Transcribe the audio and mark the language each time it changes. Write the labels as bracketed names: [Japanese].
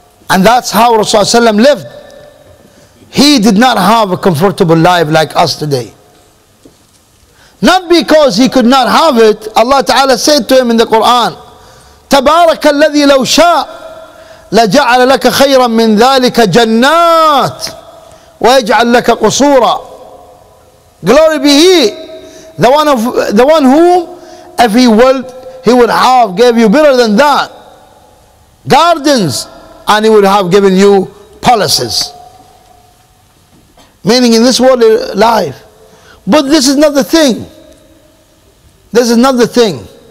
[English] And that's how Rasulullah lived. He did not have a comfortable life like us today. Not because he could not have it. [Arabic] Allah Ta'ala said to him in the Quran, تبارك الذي لو شاء لجعل لك خيرا من ذلك جنات ويجعل لك قصورا. [English] Glory be He, the one whom, if He willed, He would have gave you better than that, gardens, and He would have given you palaces. Meaning in this worldly life. But this is not the thing. This is not the thing.